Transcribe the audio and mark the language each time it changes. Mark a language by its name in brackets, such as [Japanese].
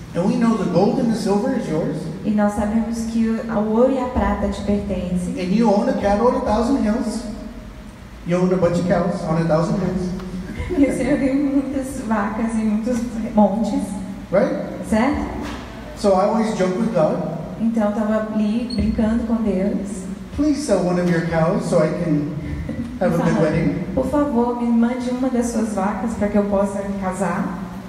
[English] And we know the gold and the silver is yours. [Portuguese] E nós sabemos que o ouro e a prata te pertencem. [English] And you own a cattle on a thousand hills. You own a bunch of cows on a thousand hills. [Portuguese] E você tem muitas vacas e muitos montes. [English] Right? [Portuguese] Certo? [English] So I always joke with God. [Portuguese] Então eu estava ali brincando com Deus. [English] Please sell one of your cows so I can have a good wedding. [Portuguese] Por favor, me mande uma das suas vacas para que eu possa me casar.